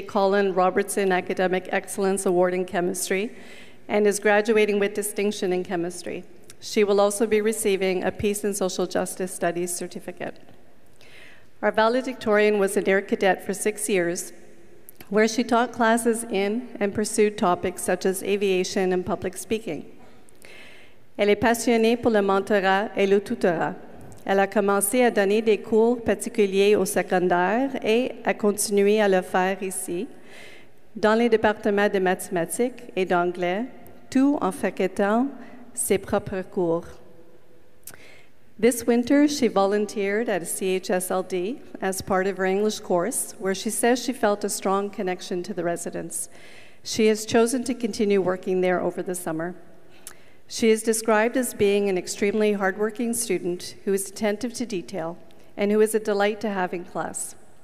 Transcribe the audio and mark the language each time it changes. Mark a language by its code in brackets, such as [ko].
[en] Colin Robertson Academic Excellence Award in Chemistry, and is graduating with distinction in chemistry. She will also be receiving a Peace and Social Justice Studies certificate. Our valedictorian was an air cadet for 6 years, where she taught classes in and pursued topics such as aviation and public speaking. [fr] Elle est passionnée pour le mentorat et le tutorat. Elle a commencé à donner des cours particuliers au secondaire et a continué à le faire ici, dans les départements de mathématiques et d'anglais, tout en fréquentant ses propres cours. [en] This winter, she volunteered at a CHSLD as part of her English course, where she says she felt a strong connection to the residents. She has chosen to continue working there over the summer. She is described as being an extremely hardworking student who is attentive to detail and who is a delight to have in class.